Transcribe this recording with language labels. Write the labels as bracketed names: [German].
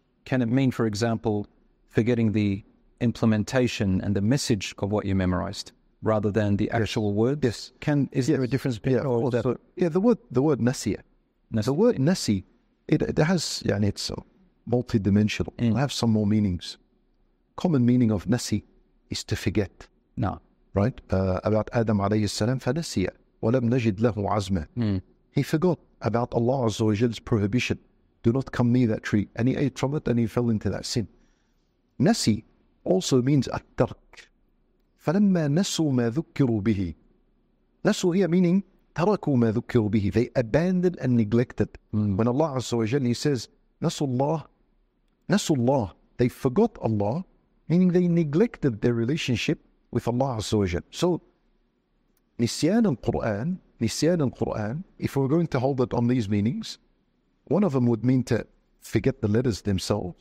[English] Can it mean, for example, forgetting the implementation and the message of what you memorized rather than the actual words? Yes. There a difference between the word nasiya. The word nasi, it's multidimensional. Mm. It'll have some more meanings. Common meaning of nasi is to forget. No. Right? About Adam alayhi salam, [Arabic] فَنَسِيَ وَلَمْ نَجِدْ لَهُ عَزْمًا. [English] He forgot about Allah Azza wa Jal's prohibition. Do not come near that tree. And he ate from it and he fell into that sin. Nasi also means at-tark. [Arabic] فَلَمَّا نَسُوا مَا ذُكِّرُوا بِهِ. نَسُوا here meaning تَرَكُوا مَا ذُكِّرُوا بِهِ. [English] They abandoned and neglected. Mm. When Allah Azza wa Jal, he says, [Arabic] نَسُوا اللَّهِ. [English] They forgot Allah, meaning they neglected their relationship with Allah Azza wa Jal. So, [Arabic] نِسْيَانَ الْقُرْآنَ, [English] if we're going to hold it on these meanings, one of them would mean to forget the letters themselves,